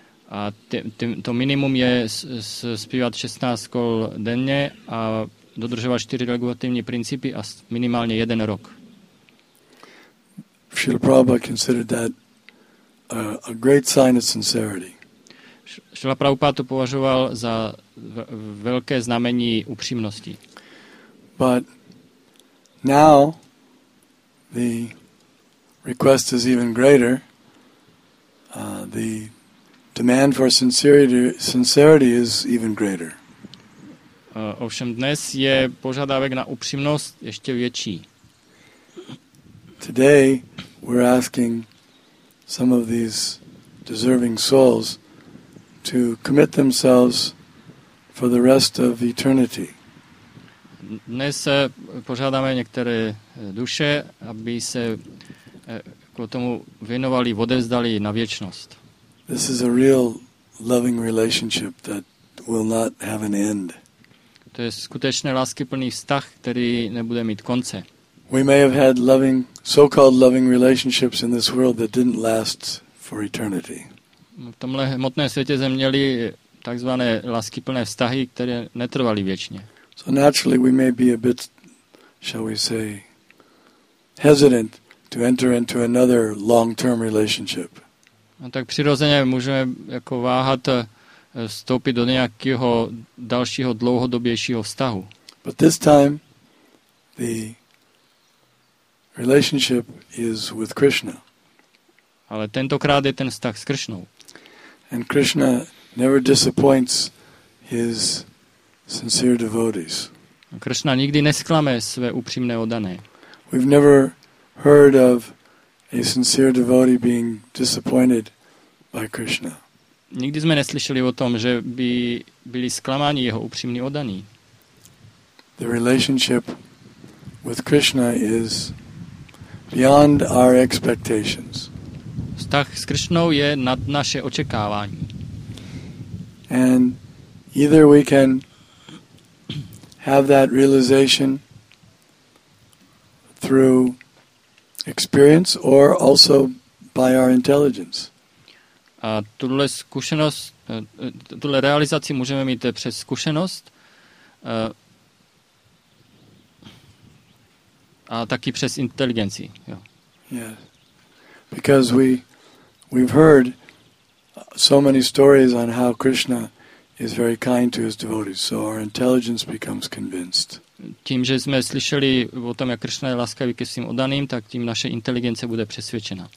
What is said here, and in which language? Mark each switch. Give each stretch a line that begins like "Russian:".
Slovak: A to minimum je spievať 16 kol denne a dodržovať 4 regulatívne princípy a minimálne 1 rok.
English: Srila Prabhupada considered that a great sign of sincerity.
Slovak: Srila Prabhupada to považoval za veľké znamenie úprimnosti.
English: But now the request is even greater. The demand for sincerity is even greater.
Czech: Ovšem dnes je požadavek na upřímnost ještě větší.
English: Today we're asking some of these deserving souls to commit themselves for the rest of eternity.
Czech: Dnes požádáme některé duše, aby se k tomu věnovali, odevzdali na věčnost.
English: This is a real loving relationship that will not have an end.
Czech: To je skutečně láskyplný vztah, který nebude mít konce.
English: We may have had loving, so-called loving relationships in this world that didn't last for eternity.
Czech: V tomhle hmotném světě jsme měli takzvané láskyplné vztahy, které netrvaly věčně.
English: So naturally we may be a bit, shall we say, hesitant to enter into another long-term relationship.
Czech: No tak přirozeně můžeme jako váhat vstoupit do nějakého dalšího dlouhodobějšího vztahu.
English: But this time the relationship is with Krishna.
Czech: Ale tentokrát je ten vztah s Krishnou.
English: And Krishna never disappoints his sincere devotees.
Czech: Krishna nikdy nesklame své upřímné oddané.
English: We've never heard of a sincere devotee being disappointed by Krishna.
Czech: Nikdy jsme neslyšeli o tom, že by byli zklamáni jeho upřímní oddaní.
English: The relationship with Krishna is beyond our expectations.
Czech: Vztah s Krishnou je nad naše očekávání.
English: And either we can have that realization through experience or also by our intelligence.
Czech: A tuhle zkušenost, tuhle realizaci můžeme mít přes zkušenost a taky přes inteligenci. Jo.
English: Yes. Because we've heard so many stories on how Krishna is very kind to his devotees, so our intelligence becomes convinced.
Czech: Tím, že jsme slyšeli o tom, jak Krishna je laskavý ke svým oddaným, tak tím naše inteligence bude přesvědčena.